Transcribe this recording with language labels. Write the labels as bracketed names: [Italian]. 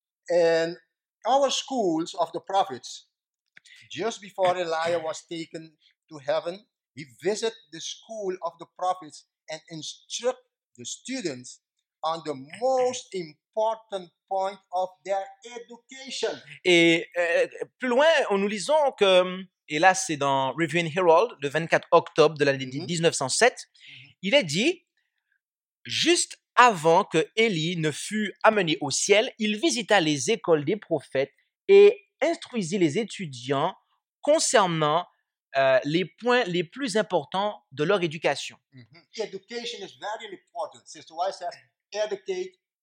[English] And our schools of the prophets, just before Elijah was taken to heaven, he visited the school of the prophets and instructed the students on the most important point of their education. [French] Et plus loin, nous lisons que, et là c'est dans Review and Herald, le 24 octobre de l'année 1907, il est dit, juste avant que Élie ne fût amené au ciel, il visita les écoles des prophètes et instruisit les étudiants concernant les points les plus importants de leur éducation. [English] Education is very important. Sister White says, Educate.